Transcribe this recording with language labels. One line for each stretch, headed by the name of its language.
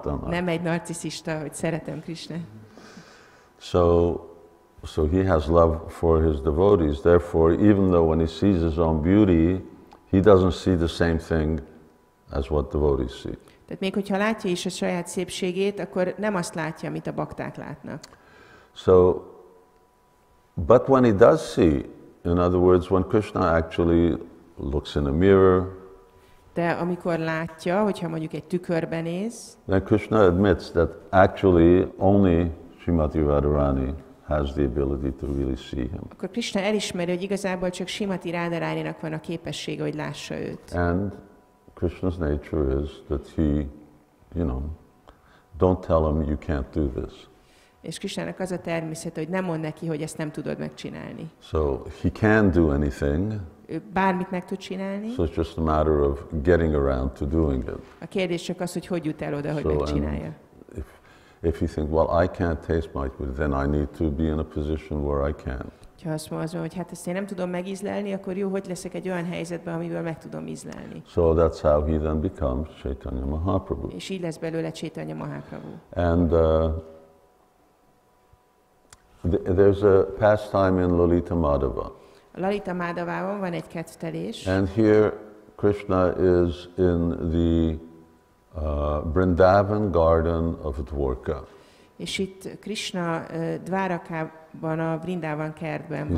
Hungarian: Nem egy narcisista, hogy szeretem Krishna.
English: So he has love for his devotees. Therefore, even though when he sees his own beauty, he doesn't see the same thing as what devotees see.
Hungarian: Tehát még hogyha látja is a saját szépségét, akkor nem azt látja, amit a bakták látnak.
English: So, but when he does see, in other words, when Krishna actually looks in a mirror,
Hungarian: de amikor látja, hogyha mondjuk egy tükörben néz,
English: then Krishna admits that actually only Srimati Radharani has the ability to really see him.
Hungarian: Akkor Krishna elismeri, hogy igazából csak Srimati Radharaninak van a képessége, hogy lássa őt.
English: And Krishna's nature is that he, you know, don't tell him you can't do this.
Hungarian: És Krishnának az a természete, hogy nem mond neki, hogy ezt nem tudod megcsinálni.
English: So he can do anything.
Hungarian: Ő bármit meg tud csinálni.
English: So it's just a matter of getting around to doing it.
Hungarian: A kérdés csak az, hogy jut el oda, hogy megcsinálja.
English: If you think, well, I can't taste my food, then I need to be in a position where I can.
Hungarian: Ha azt mondom, hogy hát ezt én nem tudom megízlelni, akkor jó, hogy leszek egy olyan helyzetben, amiből meg tudom ízlelni.
English: So that's how he then becomes Chaitanya Mahaprabhu.
Hungarian: És így lesz belőle Chaitanya Mahaprabhu.
English: And there's a pastime in Lalita Madhava.
Hungarian: Lalita Madhavában van egy kettelés.
English: And here Krishna is in the Vrindavan garden of Dvarka.
Hungarian: És itt Krishna Dvárakában, a Vrindavan kertben van.